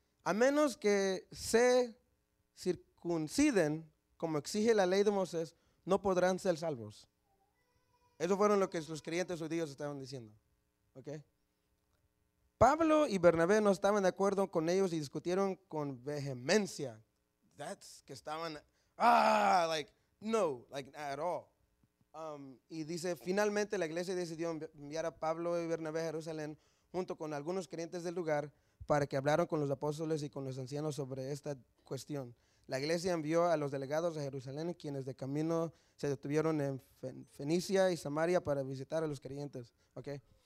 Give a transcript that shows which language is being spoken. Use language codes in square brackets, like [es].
[es] A menos que se circunciden como exige la ley de Moisés, no podrán ser salvos. Eso fueron lo que los creyentes judíos estaban diciendo. ¿Okay? Pablo y Bernabé no estaban de acuerdo con ellos y discutieron con vehemencia. [en] That's [es] que estaban, [en] like, no, like, not at all. [es] Y dice, finalmente la iglesia decidió enviar a Pablo y Bernabé a Jerusalén junto con algunos creyentes del lugar para que hablaran con los apóstoles y con los ancianos sobre esta cuestión. La iglesia envió a los delegados a Jerusalén, quienes de camino se detuvieron en Fenicia y Samaria para visitar a los creyentes. Okay.